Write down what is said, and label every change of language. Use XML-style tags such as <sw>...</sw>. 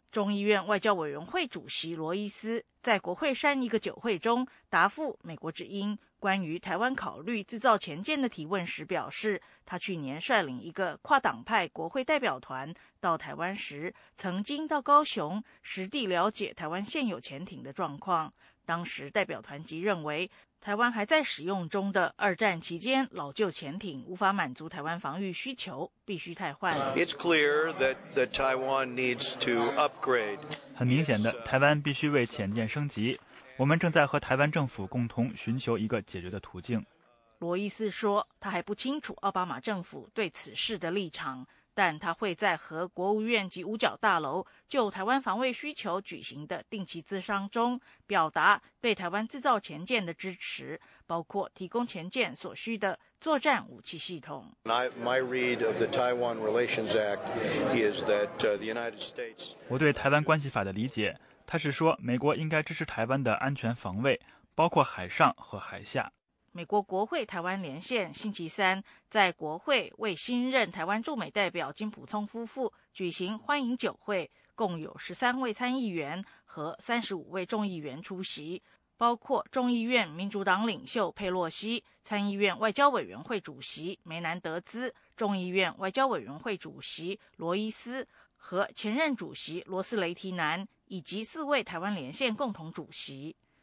<zh>众议院外交委员会主席罗伊斯在国会山一个酒会中答复美国之音关于台湾考虑自造潜舰的提问时表示，他去年率领一个跨党派国会代表团到台湾时，曾经到高雄实地了解台湾现有潜艇的状况。当时代表团即认为，台湾还在使用中的二战期间老旧潜艇无法满足台湾防御需求，必须汰换。</zh> <en>It's clear that the Taiwan needs to upgrade.</en> <zh>很明显的，台湾必须为潜舰升级。我们正在和台湾政府共同寻求一个解决的途径。罗伊斯说，他还不清楚奥巴马政府对此事的立场，但他会在和国务院及五角大楼就台湾防卫需求举行的定期咨商中表达对台湾自造潜舰的支持，包括提供潜舰所需的作战武器系统。</zh> <en>My read of the Taiwan Relations Act is that the United States</en> <zh>我对台湾关系法的理解，它是说美国应该支持台湾的安全防卫，包括海上和海下。美国国会台湾连线星期三在国会为新任台湾驻美代表金普聪夫妇举行欢迎酒会，共有13位参议员和35位众议员出席，包括众议院民主党领袖佩洛西、参议院外交委员会主席梅南德兹、众议院外交委员会主席罗伊斯和前任主席罗斯雷提南，以及4位台湾连线共同主席。</zh>